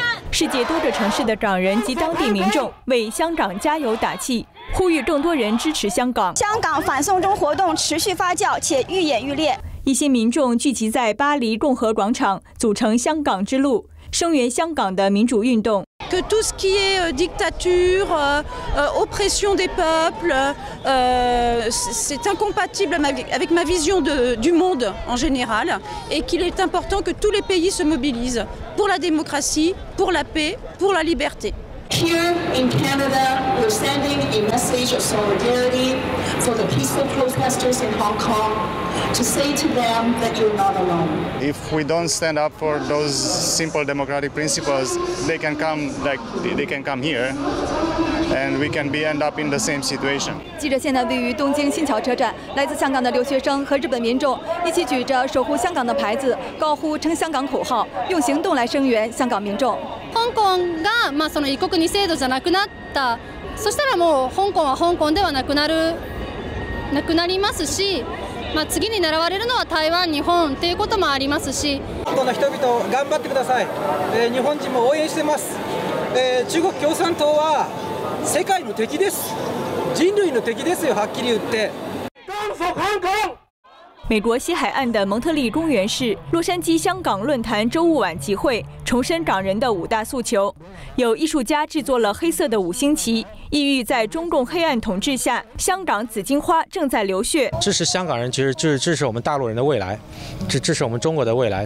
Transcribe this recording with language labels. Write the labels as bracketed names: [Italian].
[Chinese] 世界多个城市的港人及当地民众为香港加油打气，呼吁更多人支持香港。香港反送中活动持续发酵且愈演愈烈，一些民众聚集在巴黎共和广场组成香港之路，声援香港的民主运动。 [French] Que tout ce qui est dictature, oppression des peuples, c'est incompatible avec ma vision du monde en général, et qu'il est important que tous les pays se mobilisent pour la démocratie, pour la paix, pour la liberté. [English] Here in Canada, we're sending a message of solidarity for the peaceful protesters in Hong Kong to say to them that you're not alone. If we don't stand up for those simple democratic principles, they can come here. And we can be end up in the same situation. [Chinese] 记者现在位于东京新桥车站，来自香港的留学生和日本民众一起举着守护香港的牌子，高呼称香港口号，用行动来声援香港民众。 [Japanese] 香港がまあその一国二制度じゃなくなった、そしたらもう香港は香港ではなくなりますし、まあ次に狙われるのは台湾、日本っていうこともありますし。香港の人々頑張ってください。日本人も応援してます。中国共産党は。世界の敵です。人類の敵ですよ、はっきり言って。 [Chinese] 美国西海岸的蒙特利公园市洛杉矶香港论坛周五晚集会，重申港人的五大诉求。有艺术家制作了黑色的五星旗，意欲在中共黑暗统治下，香港紫荆花正在流血。支持香港人，其实就是支持我们大陆人的未来，支持我们中国的未来。